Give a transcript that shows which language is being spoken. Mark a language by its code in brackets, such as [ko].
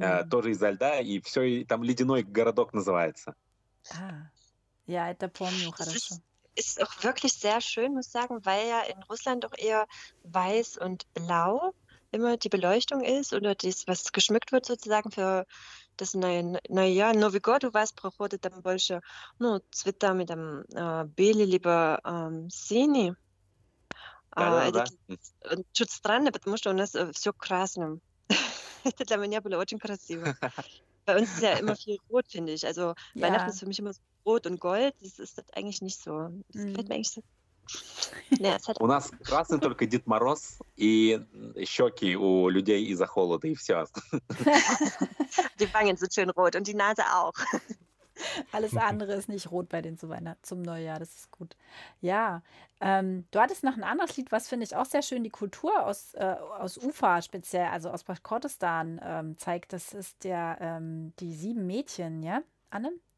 [ru] Тоже изо льда, и все, и там ледяной городок называется. Ja, это помню хорошо. [de] Ist auch wirklich sehr schön, muss sagen, weil ja in Russland doch eher weiß und blau immer die Beleuchtung ist oder das, was geschmückt wird sozusagen für das neue Jahr. [ru] Новый год у вас проходит там больше, ну, цвета [de] mit dem [ru] белый либо синий. Да. Чуть странно, потому что у нас все красным. Это для меня было очень красиво. [de] Bei uns ist ja immer viel rot, finde ich. Also ja. Weihnachten ist für mich immer so rot und gold. Das ist das eigentlich nicht so. Das fällt mir eigentlich so. Nee, es hat... [ru] У нас красный только Дед Мороз и щеки у людей из-за холода, и все. [de] Die Wangen sind schön rot und die Nase auch. Alles andere ist nicht rot bei denen zum Neujahr, das ist gut. Ja, du hattest noch ein anderes Lied, was finde ich auch sehr schön, die Kultur aus Ufa speziell, also aus Baschkortostan zeigt, das ist der die sieben Mädchen, ja, Anne?